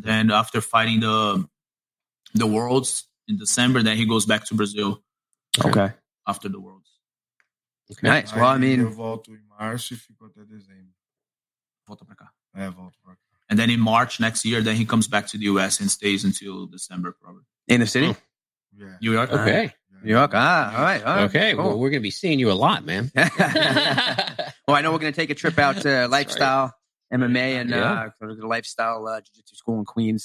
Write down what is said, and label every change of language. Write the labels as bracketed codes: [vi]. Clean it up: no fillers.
[en] Then after fighting the Worlds in December, then he goes back to Brazil. Okay. After the Worlds. Okay. Nice. Well, I mean... [pt] Eu volto em março e fico até dezembro. Volta pra cá. Volto pra cá. [en] And then in March next year, then he comes back to the U.S. and stays until December probably. In the city? Yeah. New York? Okay. New York. All right. Okay. Cool. Well, we're going to be seeing you a lot, man. Well, I know we're going to take a trip out to Lifestyle MMA and Lifestyle Jiu-Jitsu School in Queens.